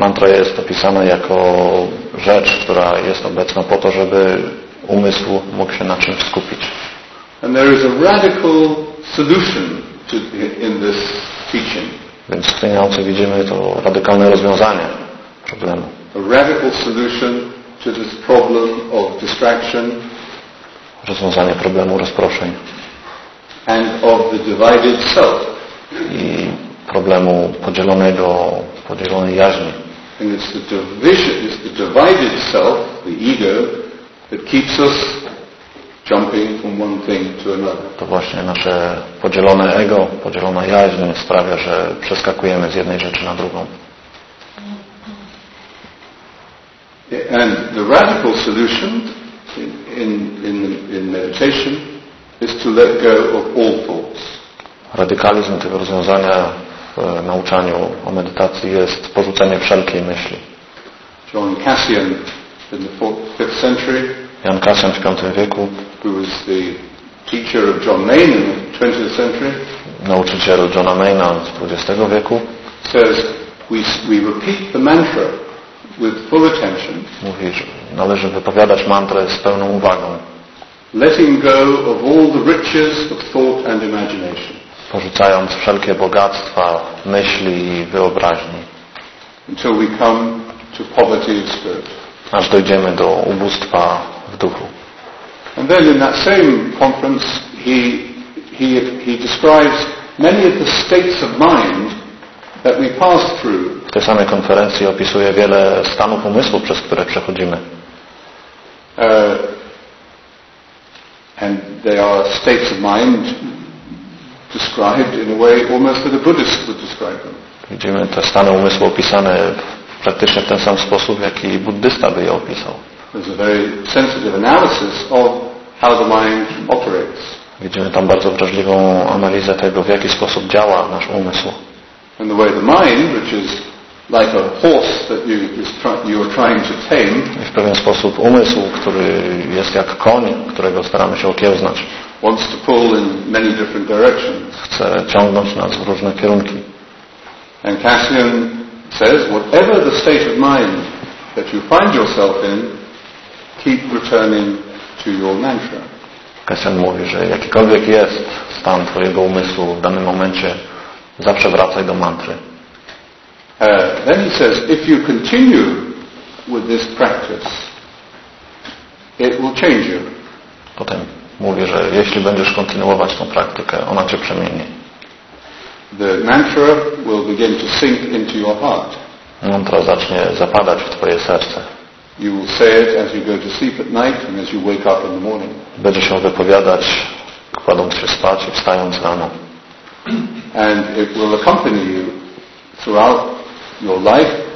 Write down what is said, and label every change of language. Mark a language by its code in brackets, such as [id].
[pl] Mantra jest opisana jako rzecz, która jest obecna po to, żeby umysł mógł się na czymś skupić. [en] And there is a radical solution in this teaching. [pl] Więc w tej nauce widzimy to radykalne rozwiązanie problemu. [en] A radical solution to this problem of distraction. [pl] Rozwiązanie problemu rozproszeń. [en] And of the divided self. [pl] I problemu podzielonej jaźni. [en] And it's the division, it's the divided self, the ego, that keeps us jumping from one thing to another. [pl] To właśnie nasze podzielone ego, podzielona jaźń sprawia, że przeskakujemy z jednej rzeczy na drugą. [en] And the radical solution in meditation is to let go of all thoughts. [pl] Radykalizm tego rozwiązania w nauczaniu o medytacji jest porzucenie wszelkiej myśli. [en] John Cassian in the 5th century. [pl] Jan Kasjan w V wieku, [en] who was the teacher of John Main in the 20th century, [pl] nauczyciel Johna Maina z 20 wieku, [en] says we repeat the mantra with full attention. [pl] Mówi, że należy wypowiadać mantrę z pełną uwagą. [en] Letting go of all the riches of thought and imagination. [pl] Porzucając wszelkie bogactwa myśli i wyobraźni. [en] Until we come to poverty of spirit. [pl] Aż dojdziemy do ubóstwa. [en] And then in that same conference he describes many of the states of mind that we pass through. [pl] W tej samej konferencji opisuje wiele stanów umysłu, przez które przechodzimy. [en] And they are states of mind described in a way almost that a Buddhist would describe them. [pl] Widzimy te stany umysłu opisane praktycznie w ten sam sposób, jaki buddysta by je opisał. [en] There's a very sensitive analysis of how the mind operates. [pl] Widzimy tam bardzo wrażliwą analizę tego, w jaki sposób działa nasz umysł. [en] And the way the mind, which is like a horse that you are trying to tame. [pl] I w pewien sposób umysł, który jest jak koń, którego staramy się okiełznać. [en] Wants to pull in many different directions. [pl] Chce ciągnąć nas w różne kierunki. [en] And Cassian says, whatever the state of mind that you find yourself in, keep returning to your mantra. [pl] Kasjan mówi, że jakikolwiek jest stan twojego umysłu w danym momencie, zawsze wracaj do mantry. [en] Then he says, if you continue with this practice, it will change you. [pl] Potem mówi, że jeśli będziesz kontynuować tą praktykę, ona cię przemieni. [en] The mantra will begin to sink into your heart. [pl] Mantra zacznie zapadać w twoje serce. [en] You will say it as you go to sleep at night and as you wake up in the morning. [pl] Będziesz ją wypowiadać, kładąc się spać i wstając rano. [en] And it will accompany you throughout your life.